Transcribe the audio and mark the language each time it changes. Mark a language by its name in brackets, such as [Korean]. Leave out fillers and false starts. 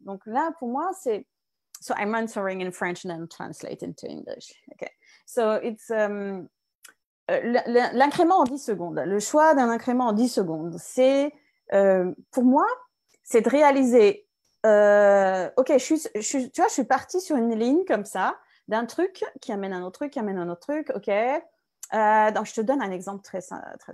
[French] Donc là, pour moi, c'est. [English] So I'm answering in French and then translate into English. Okay. So it's [French] l'incrément en 10 secondes. Le choix d'un incrément en 10 secondes, c'est pour moi, c'est de réaliser. Ok, je suis partie sur une ligne comme ça. D'un truc qui amène un autre truc, qui amène un autre truc, ok. Donc, je te donne un exemple très simple.